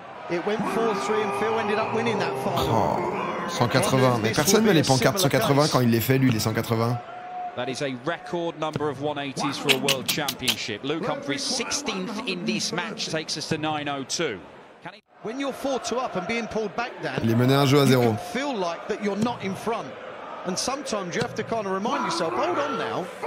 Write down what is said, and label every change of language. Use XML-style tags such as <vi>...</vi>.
<en>It went 4-3 and Phil ended up winning that final. Oh, 180.</en> <fr>Mais personne ne met les pancartes 180 quand il les fait, lui, les 180.</fr> <en>That is a record number of 180s for a world championship. Luke Humphries, 16th in this match, takes us to 902. Can he... When you're 4-2 up and being pulled back down,</en> <fr>il est mené un jeu à zéro.</fr> <en>You feel like that you're not in front. And sometimes you have to kind of remind yourself, hold on now.</en>